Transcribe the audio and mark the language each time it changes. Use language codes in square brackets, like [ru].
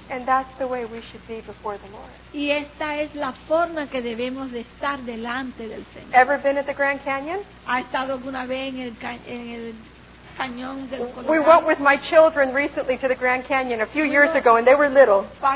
[en] And that's the way we should be before the Lord. [es] Y esta es la forma que debemos de estar delante del Señor. [en] Ever been at the Grand Canyon? [es] ¿Ha estado alguna vez en el [en] We went with my children recently to the Grand Canyon a few years ago, and they were little.